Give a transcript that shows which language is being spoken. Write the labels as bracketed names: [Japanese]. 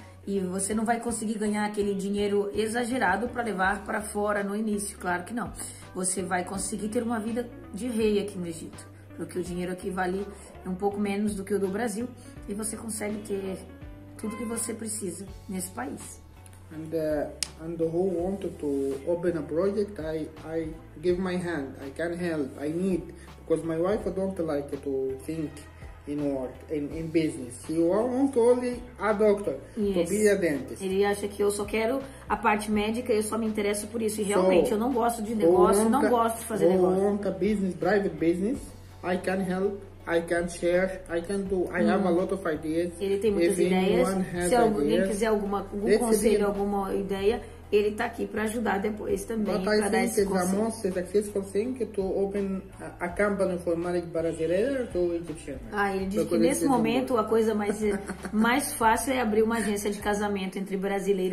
[Portuguese] E você não vai conseguir ganhar aquele dinheiro exagerado para levar para fora no início, claro que não. Você vai conseguir ter uma vida de rei aqui no Egito, porque o dinheiro aqui vale um pouco menos do que o do Brasil e você consegue ter tudo que você precisa nesse país. [English] And who wanted to open a project, I give my hand, I can help, I need, because my wife don't like to think in work, in business. She wants only a doctor, yes, to be a dentist. [Portuguese] Ele acha que eu só quero a parte médica, eu só me interesso por isso, e realmente so, eu não gosto de negócio, não gosto de fazer negócio. [English] Who want a business, private business, I can help. I can share, I can do, I have a lot of ideas. [Portuguese] Ele tem muitas ideias. Se alguém quiser algum conselho, alguma ideia, ele está aqui para ajudar depois também. [English] But I think it's a most successful thing to open a company for Malik Barazerer or to Egyptian. [Portuguese] Ah, ele diz que nesse momento a coisa mais fácil é abrir uma agência de casamento entre brasileiras.